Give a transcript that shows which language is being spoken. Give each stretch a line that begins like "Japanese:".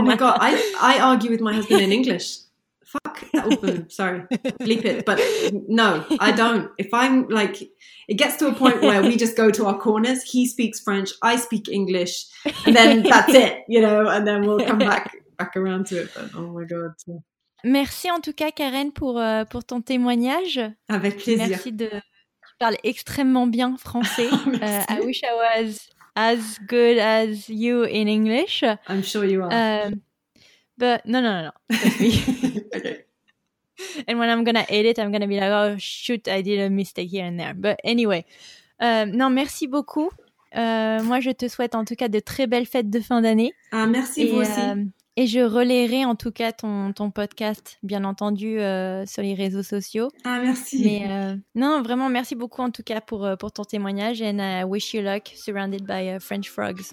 English: Oh my God, I argue with my husband in English. Fuck. Sorry, bleep it. But no, I don't. If I'm like, it gets to a point where we just go to our corners. He speaks French, I speak English, and then that's it, you know, and then we'll come back around to it. But, oh my God.
French: Merci en tout cas, Karen, pour ton témoignage. Avec plaisir. Merci de... Je parle extrêmement bien français.
English: I wish I was as good as you in English. I'm sure you are. But no. That's me. Okay. And when I'm going to edit, I'm going to be like, oh, shoot, I did a mistake here and there. But anyway,
French: non, merci beaucoup. Moi, je te souhaite en tout cas de très belles fêtes de fin d'année. Ah, merci, et, vous aussi. Et je relayerai en tout cas ton podcast, bien entendu, sur les réseaux sociaux. Ah, merci. Mais non, vraiment, merci beaucoup en tout cas pour ton témoignage.
English: And I wish you luck, surrounded by French frogs.